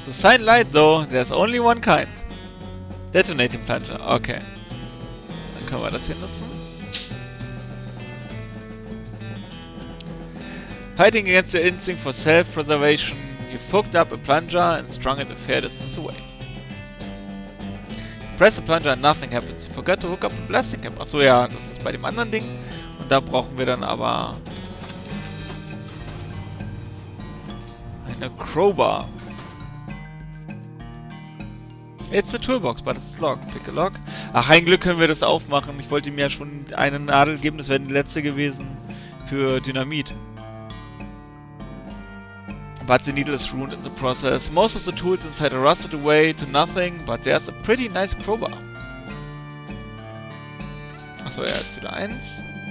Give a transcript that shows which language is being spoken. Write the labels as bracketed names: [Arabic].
[English] The sign light though, there's only one kind. Detonating Plunger, okay. [German] Dann können wir das hier nutzen. [English] Fighting against your instinct for self-preservation, you fucked up a plunger and strung it a fair distance away. Press the plunger and nothing happens. You forgot to hook up a plastic cap. [German] Achso, ja, das ist bei dem anderen Ding. Und da brauchen wir dann aber eine Crowbar. [English] It's a toolbox, but it's locked. Pick a lock. [German] Ach, ein Glück können wir das aufmachen. Ich wollte ihm ja schon eine Nadel geben. Das wäre die letzte gewesen für Dynamit. [English] But the needle is ruined in the process. Most of the tools inside are rusted away to nothing, but there's a pretty nice crowbar. [German] Achso, ja, jetzt wieder eins.